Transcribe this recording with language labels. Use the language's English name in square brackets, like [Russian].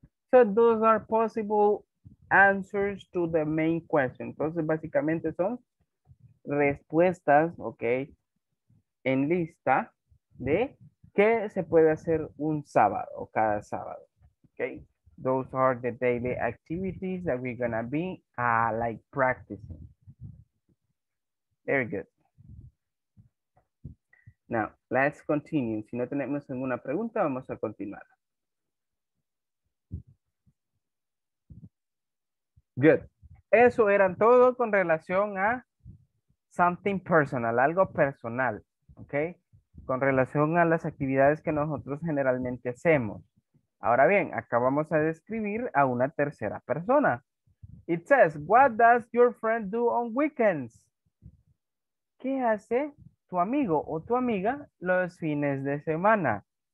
[English] So those are possible answers to the main question. [Spanish] Entonces, básicamente son respuestas, ok, en lista de qué se puede hacer un sábado o cada sábado. [English] Ok, those are the daily activities that we're gonna be like practicing. Very good. Now, let's continue. [Spanish] Si no tenemos ninguna pregunta, vamos a continuar. [English] Good. [Spanish] Eso eran todo con relación a [English] something personal, [Spanish] algo personal, ¿ok? Con relación a las actividades que nosotros generalmente hacemos. Ahora bien, acá vamos a describir a una tercera persona. [English] It says, what does your friend do on weekends? [Spanish] ¿Qué hace tu amigo o tu amiga los fines de semana?